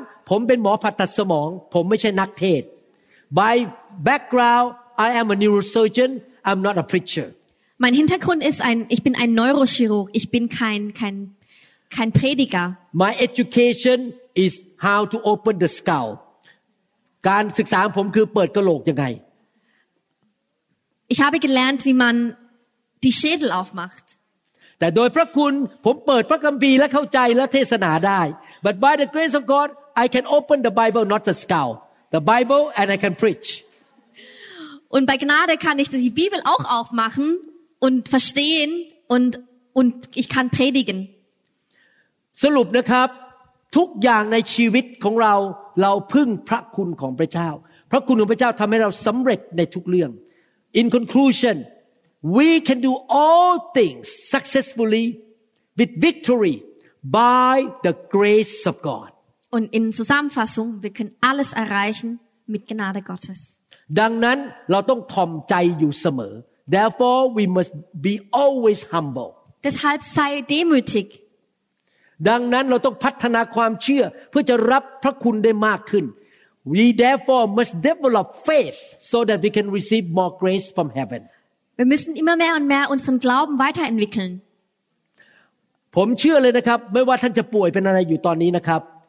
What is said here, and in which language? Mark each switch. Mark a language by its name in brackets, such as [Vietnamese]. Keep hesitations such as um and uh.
[Thai] ผมเป็นหมอผ่าตัดสมอง ผมไม่ใช่นักเทศ [English] by background I am a neurosurgeon I'm not a preacher [German] mein Hintergrund ist ein ich bin ein Neurochirurg ich bin kein kein kein Prediger [English] my education is how to open the skull [Thai] การศึกษาผมคือเปิดกระโหลกยังไง [German] Ich habe gelernt, wie man die Schädel aufmacht. [Thai] แต่โดยพระคุณผมเปิดพระคัมภีร์และเข้าใจและเทศนาได้ [English] But by the grace of God, I can open the Bible not the skull the Bible and I can preach [German] und bei Gnade kann ich die Bibel auch aufmachen und verstehen und und ich kann predigen [Thai] สรุปนะครับ ทุกอย่างในชีวิตของเราเราพึ่งพระคุณของพระเจ้า พระคุณของพระเจ้าทำให้เราสำเร็จในทุกเรื่อง [English] in conclusion we can do all things successfully with victory by the grace of God [German] Und in Zusammenfassung, wir können alles erreichen mit Gnade Gottes. [Thai] ดังนั้นเราต้องทอมใจอยู่เสมอ [English] Therefore we must be always humble. [German] Deshalb sei demütig. [Thai] ดังนั้นเราต้องพัฒนาความเชื่อเพื่อจะรับพระคุณได้มากขึ้น [English] We therefore must develop faith so that we can receive more grace from heaven. [German] Wir müssen immer mehr und mehr unseren Glauben weiterentwickeln. [Thai] ผมเชื่อเลยนะครับ ไม่ว่าท่านจะป่วยเป็นอะไรอยู่ตอนนี้นะครับ